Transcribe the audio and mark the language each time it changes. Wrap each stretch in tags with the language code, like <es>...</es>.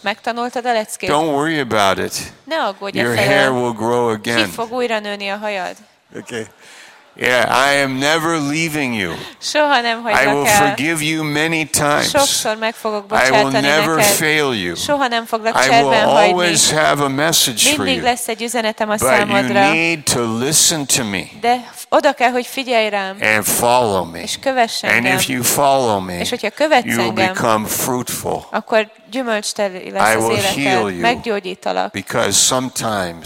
<hu>Megtanultad a leckét?</hu> <en>Don't worry about it.</en> <hu>Ne aggódj a fejed.</hu> <en>Your hair will grow again.</en> <hu>Ki fog újra nőni a hajad?</hu> <en>Okay. Yeah, I am never leaving you.</en> <hu>Soha nem hagylak el.</hu> <en>I will forgive you many times.</en> <hu>Sokszor meg fogok bocsátani neked.</hu> <en>I will never fail you.</en> <hu>Soha nem foglak cserben hagyni.</hu> <en>I will always have a message for you.</en> <hu>Mindig lesz egy üzenetem a számodra.</hu> <en>But you need to listen to me.</en> <hu>De oda kell, hogy figyelj rám.</hu> <en>And follow me.</en> <hu>És kövess engem.</hu> <en>And if you follow me,</en> <hu>és hogyha követsz engem,</hu> <en>you will become fruitful.</en> <hu>Akkor gyümölcstelő lesz az életed.</hu> <en>I will heal you.</en> <hu>Meggyógyítalak.</hu> <en>Because sometimes,</en>